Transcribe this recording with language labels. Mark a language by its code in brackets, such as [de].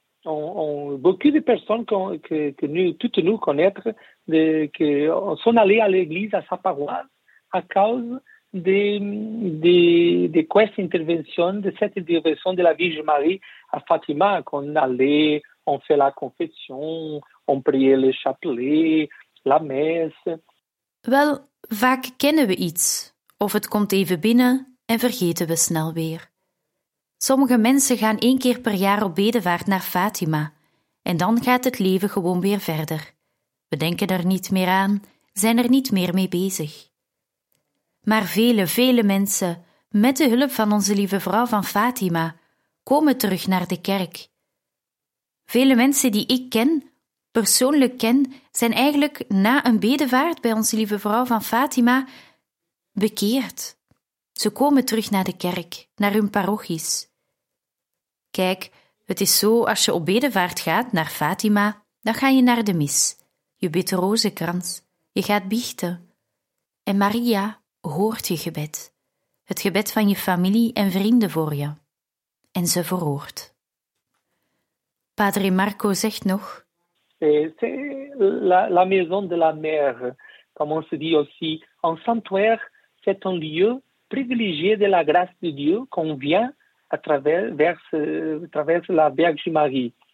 [fr] Beaucoup de personnes que nous connaissons sont allées à l'église, à sa paroisse, à cause de cette intervention, de cette intervention de la Vierge Marie à Fatima, qu'on allait, on fait la confession, on prie le chapelet, la messe. [nl] Wel, vaak kennen we iets, of het komt even binnen en vergeten we snel weer. Sommige mensen gaan één keer per jaar op bedevaart naar Fatima en dan gaat het leven gewoon weer verder. We denken er niet meer aan, zijn er niet meer mee bezig. Maar vele, vele mensen, met de hulp van onze lieve vrouw van Fatima, komen terug naar de kerk. Vele mensen die ik ken, persoonlijk ken, zijn eigenlijk na een bedevaart bij onze lieve vrouw van Fatima bekeerd. Ze komen terug naar de kerk, naar hun parochies. Kijk, het is zo, als je op bedevaart gaat naar Fatima, dan ga je naar de mis. Je bidt de rozenkrans, je gaat biechten. En Maria hoort je gebed. Het gebed van je familie en vrienden voor je. En ze verhoort. Padre Marco zegt nog... [fr] C'est la maison de la mère. Comme on se dit aussi, un sanctuaire, c'est un lieu privilégié de la grâce de Dieu qu'on vient à travers la Vierge Marie.